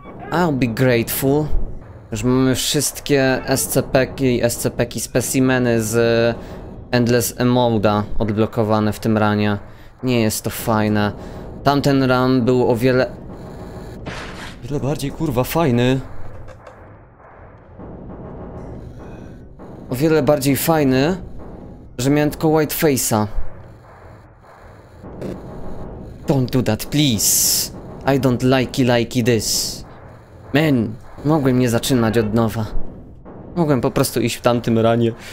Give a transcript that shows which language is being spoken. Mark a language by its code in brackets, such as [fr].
[en] I'll be grateful. [pl] Już mamy wszystkie SCP-ki, specimeny z Endless Emolda odblokowane w tym runie. Nie jest to fajne. Tamten run był o wiele... wiele bardziej, kurwa, fajny. O wiele bardziej fajny, że miałem tylko Whiteface'a. [en] Don't do that, please. I don't like this. [pl] Man, mogłem nie zaczynać od nowa. Mogłem po prostu iść w tamtym ranie.